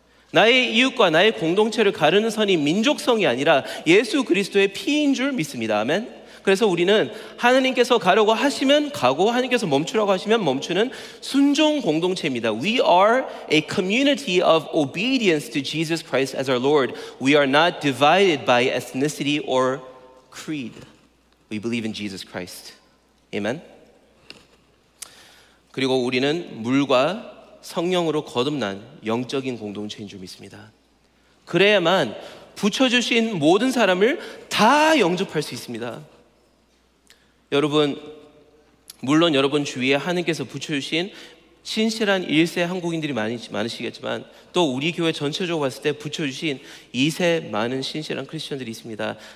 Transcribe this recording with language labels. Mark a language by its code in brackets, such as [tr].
[ko] 나의 이웃과 나의 공동체를 가르는 선이 민족성이 아니라 예수 그리스도의 피인 줄 믿습니다. 아멘. 그래서 우리는 하나님께서 가려고 하시면 가고 하나님께서 멈추라고 하시면 멈추는 순종 공동체입니다. [en] We are a community of obedience to Jesus Christ as our Lord. We are not divided by ethnicity or creed. We believe in Jesus Christ. Amen. [ko] 그리고 우리는 물과 성령으로 거듭난 영적인 공동체인 줄 믿습니다. 그래야만 붙여주신 모든 사람을 다 영접할 수 있습니다. 여러분, 물론 여러분 주위에 하나님께서 붙여주신 신실한 1세 한국인들이 많으시겠지만 또 우리 교회 전체적으로 봤을 때 붙여주신 2세 많은 신실한 크리스천들이 있습니다.